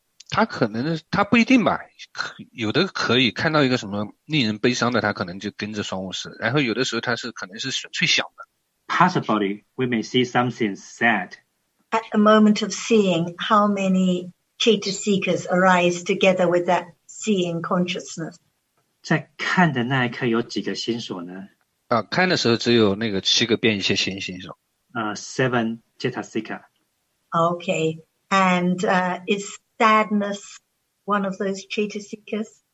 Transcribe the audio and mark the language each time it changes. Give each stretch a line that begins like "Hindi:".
Chinese: 他可能他不一定吧，有的可以看到一个什么令人悲伤的，他可能就跟着双五识，然后有的时候他是可能是纯粹想的。
English: Possibly we may see something sad. At the moment of seeing, how many citta seekers arise together with that? Seeing consciousness.
Chinese: 在看的那一刻有几个心所呢？看的时候只有那个七个变一些心心所。
English: Seven cittasika. Okay. And is sadness one of those cittasikas?